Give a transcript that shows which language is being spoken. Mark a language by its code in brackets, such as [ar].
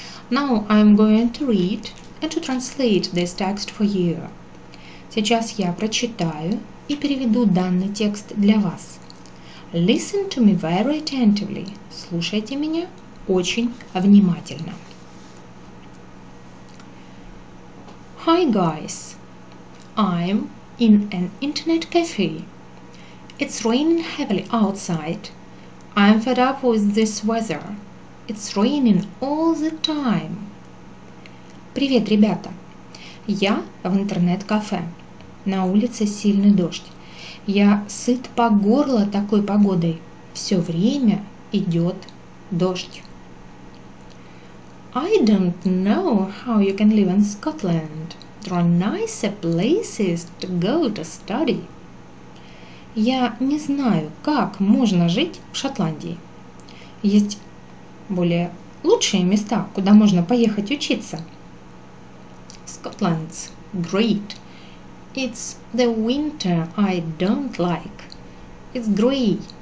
[en] Now I'm going to read and to translate this text for you. [ru] Сейчас я прочитаю и переведу данный текст для вас. [en] Listen to me very attentively. [ru] Слушайте меня очень внимательно. [en] Hi guys. I'm in an internet cafe. It's raining heavily outside. I'm fed up with this weather. It's raining all the time. [ru] Привет, ребята. Я в интернет-кафе. На улице сильный дождь. Я сыт по горло такой погодой. Все время идет дождь. [en] I don't know how you can live in Scotland. There are nicer places to go to study. [ru] Я не знаю, как можно жить в Шотландии. Есть более лучшие места, куда можно поехать учиться. [en] Scotland's great. It's the winter I don't like. It's grey.